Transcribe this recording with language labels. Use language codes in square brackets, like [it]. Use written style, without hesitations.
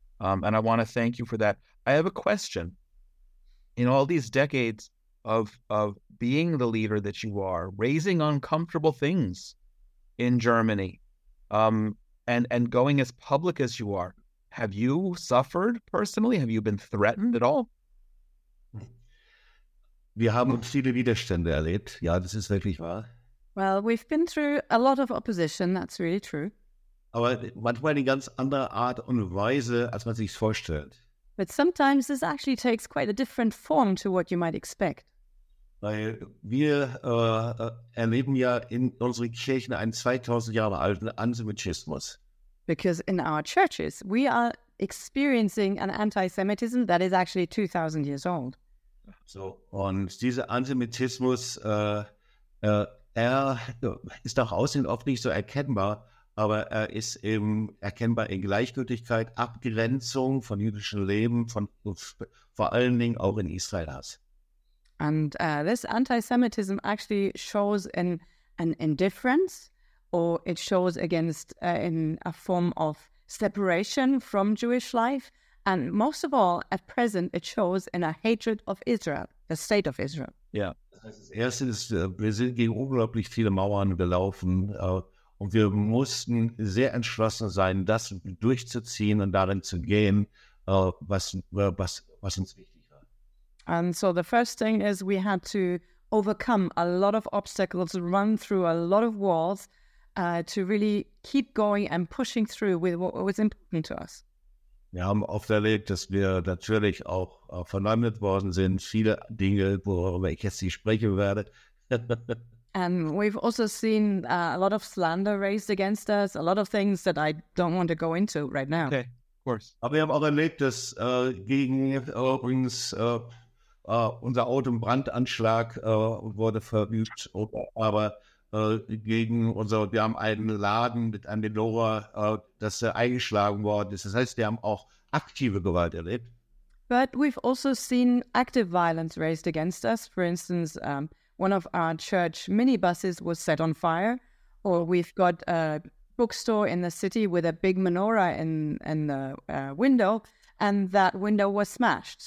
[en] And I want to thank you for that. I have a question. In all these decades of being the leader that you are, raising uncomfortable things in Germany, and going as public as you are, have you suffered personally? Have you been threatened at all? [de] Wir haben viele Widerstände erlebt. Ja, das ist wirklich wahr. [en] Well, we've been through a lot of opposition. That's really true. [de] Aber manchmal eine ganz andere Art und Weise, als man sich's vorstellt. [en] But sometimes this actually takes quite a different form to what you might expect. [de] Weil wir erleben ja in unseren Kirchen einen 2000 Jahre alten Antisemitismus. [en] Because in our churches we are experiencing an antisemitism that is actually 2000 years old. [de] So, und dieser Antisemitismus, er ist nach außen oft nicht so erkennbar. Aber er ist eben erkennbar in Gleichgültigkeit, Abgrenzung von jüdischem Leben, von vor allen Dingen auch in Israels. [en] And this anti-Semitism actually shows in an indifference, or it shows against in a form of separation from Jewish life, and most of all, at present, it shows in a hatred of Israel, the state of Israel. Ja, yeah. [de] Das heißt, wir sind gegen unglaublich viele Mauern gelaufen. Und wir mussten sehr entschlossen sein, das durchzuziehen und darin zu gehen, was uns wichtig war. [en] And so the first thing is we had to overcome a lot of obstacles, run through a lot of walls, to really keep going and pushing through with what was important to us. [de] Wir haben oft erlebt, dass wir natürlich auch verleumdet worden sind, viele Dinge, worüber ich jetzt nicht sprechen werde. [en] And we've also seen a lot of slander raised against us, a lot of things that I don't want to go into right now. Okay, of course. [de] Aber wir haben auch erlebt, dass unser Auto im Brandanschlag wurde verübt, wir haben einen Laden mit einem Menorah, das eingeschlagen worden ist. Das heißt, wir haben auch aktive Gewalt erlebt. [en] But we've also seen active violence raised against us, for instance, one of our church minibuses was set on fire, or we've got a bookstore in the city with a big menorah in the window, and that window was smashed.